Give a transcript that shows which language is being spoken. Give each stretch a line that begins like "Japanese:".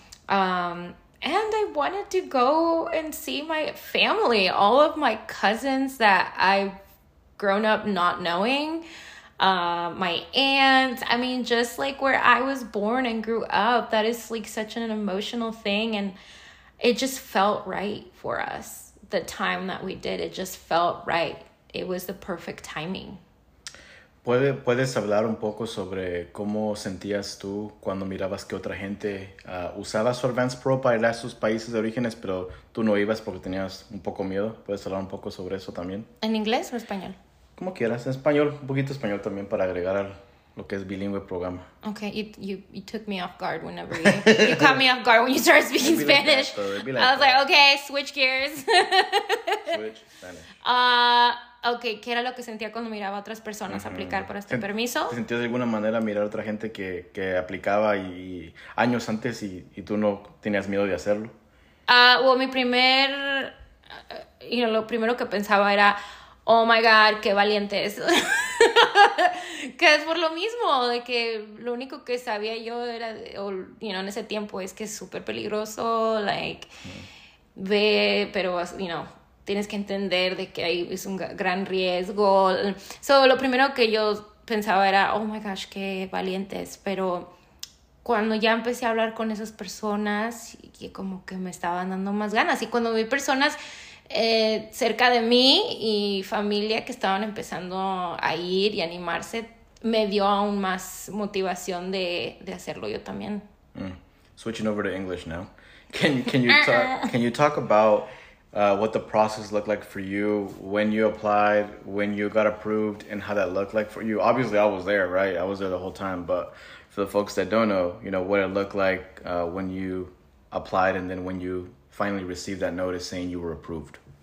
English: And I wanted to go and see my family, all of my cousins that I've grown up not knowing, my aunts. I mean, just like where I was born and grew up, that is like such an emotional thing. And it just felt right for us. The time that we did, it just felt right. It was the perfect timing.
Spanish: ¿Puedes hablar un poco sobre cómo sentías tú cuando mirabas que otra gente usaba su Advanced Pro para ir a sus países de orígenes, pero tú no ibas porque tenías un poco miedo? ¿Puedes hablar un poco sobre eso también? ¿En inglés o español? Como quieras, en español, un poquito español también para agregar a lo que es bilingüe programa.
English: Okay, you took me off guard whenever you caught me off guard when you started speaking Spanish. I was like, okay, switch gears. Switch Spanish.
Spanish: Okay, ¿qué era lo que sentía cuando miraba a otras personas aplicar por este permiso? ¿Te sentías de alguna manera mirar a otra gente que aplicaba y años antes y tú no tenías miedo de hacerlo? Lo primero que pensaba era,
English: oh my God,
Spanish: qué valientes. Que es por lo mismo, de que lo único que sabía yo era, en ese tiempo es que es súper peligroso, tienes que entender de que ahí es un gran riesgo. So, lo primero que yo pensaba era,
English: oh my gosh,
Spanish: qué valientes. Pero cuando ya empecé a hablar con esas personas, y como que me estaban dando más ganas. Y cuando vi personas cerca de mí y familia que estaban empezando a ir y animarse, me dio aún más motivación de hacerlo yo también.
English: Switching over to English now. Can you talk about what the process looked like for you when you applied, when you got approved, and how that looked like for you? Obviously, I was there, right? I was there the whole time. But for the folks that don't know, you know, what it looked like when you applied and then when you finally received that notice saying you were approved.